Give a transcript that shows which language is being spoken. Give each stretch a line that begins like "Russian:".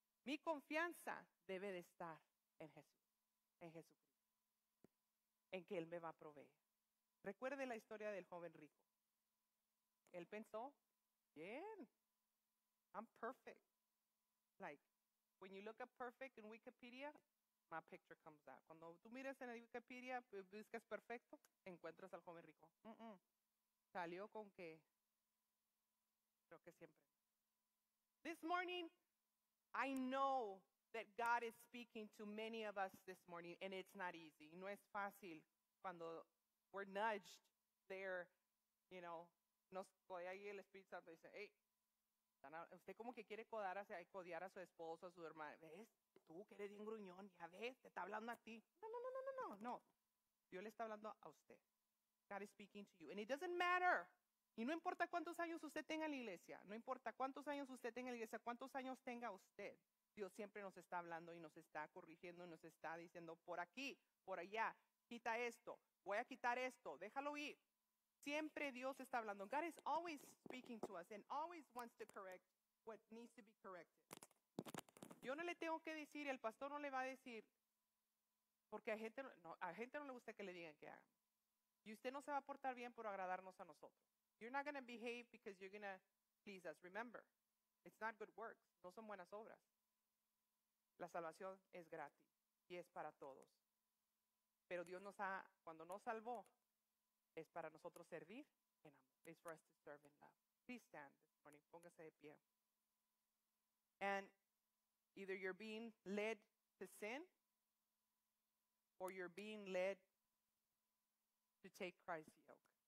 Spanish: Mi confianza debe de estar en Jesús. En Jesucristo. En que Él me va a proveer. Recuerde la historia del joven rico. Él pensó, bien,
English: I'm perfect. Like, when you look at perfect in Wikipedia, my picture comes out.
Spanish: Cuando tú miras en la Wikipedia, buscas perfecto, encuentras al joven rico. Mm-mm. Salió con que, creo que siempre.
English: This morning, I know that God is speaking to many of us this morning, and it's not easy.
Spanish: No es fácil cuando
English: we're nudged there, you know.
Spanish: Nos codea ahí el Espíritu Santo y dice, hey, usted como que quiere codear a su esposo, a su hermano, ¿ves? Tú que eres bien gruñón, ya ves, te está hablando a ti. No. Dios le está hablando a usted.
English: God is speaking to you. And it doesn't matter.
Spanish: Y no importa cuántos años usted tenga en la iglesia. No importa cuántos años usted tenga en la iglesia. Cuántos años tenga usted. Dios siempre nos está hablando y nos está corrigiendo. Y nos está diciendo, por aquí, por allá, quita esto. Voy a quitar esto. Déjalo ir. Siempre Dios está hablando.
English: God is always speaking to us and always wants to correct what needs to be corrected.
Spanish: Yo no le tengo que decir, el pastor no le va a decir, porque a gente no le gusta que le digan que haga. Y usted no se va a portar bien por agradarnos a nosotros.
English: You're not going to behave because you're going to please us. Remember, it's not good works.
Spanish: No son buenas obras. La salvación es gratis y es para todos. Pero Dios nos ha, cuando nos salvó, es para nosotros servir en amor.
English: It's for us to serve in love. Please stand this morning.
Spanish: Póngase de pie.
English: And either you're being led to sin or you're being led to take Christ's yoke.